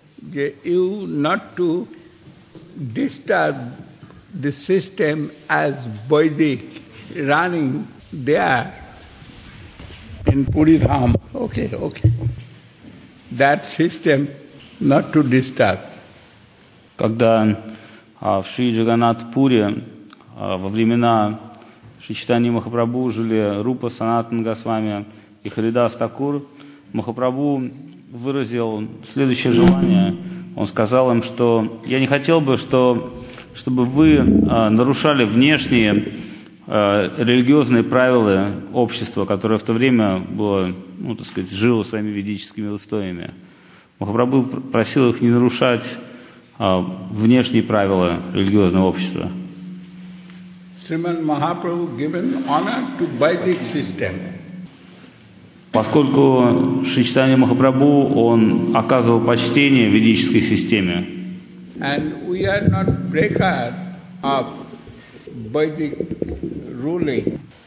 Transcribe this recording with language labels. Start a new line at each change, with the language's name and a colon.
English: You not to disturb the system as Vedic running there in Puridham. Okay, okay. That system not to disturb.
Russian: Когда в Шри Джаганнат Пуре во времена Шри Чайтаньи Махапрабху жили Рупа Санатан Госвами и Харидас Такур, Махапрабху выразил следующее желание. Он сказал им, что я не хотел бы, чтобы вы нарушали внешние религиозные правила общества, которое в то время было, ну, так сказать, жило своими ведическими устоями. Махапрабху просил их не нарушать внешние правила религиозного общества.
English: Sriman Mahaprabhu given honor to Vedic system.
Russian: Поскольку Шри Чайтанья Махапрабху он оказывал почтение ведической системе.
English: And we are not breaker of Vedic ruling.